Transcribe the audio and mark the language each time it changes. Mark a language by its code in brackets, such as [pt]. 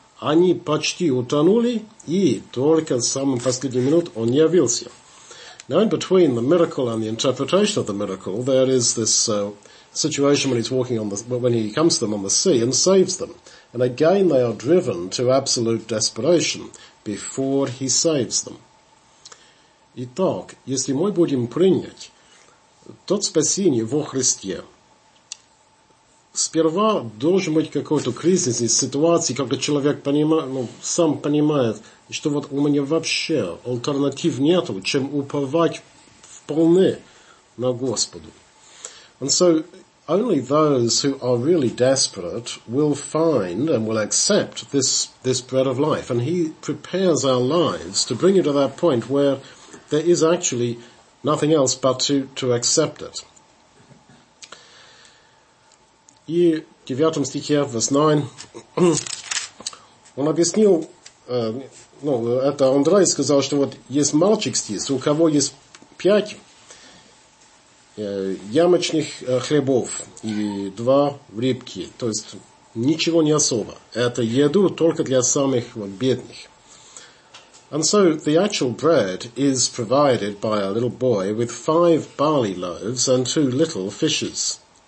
[ru] Они почти утонули, и только в самый последний минут он явился. [en] Now, in between the miracle and the interpretation of the miracle, there is this situation when he comes to them on the sea and saves them. And again, they are driven to absolute desperation before he saves them. [ru] Итак, если мы будем принять тот спасение во Христе, сперва должен быть какой-то кризис из ситуации, когда человек сам понимает, что вот у меня вообще альтернатив нету, чем уповать вполне на Господу. [en] And so only those who are really desperate will find and will accept this bread of life. And he prepares our lives to bring you to that point where there is actually nothing else but to accept it. [ru] И в 9 стихе, [en] verse 9, [ru] он объяснил, ну, это Андрей сказал, что вот есть мальчик здесь, у кого есть 5 ямочных хлебов и 2 рыбки, то есть ничего не особо. Это еду только для самых вот, бедных. [en] And so the actual bread is provided by a little boy with 5 barley loaves and 2 little fishes.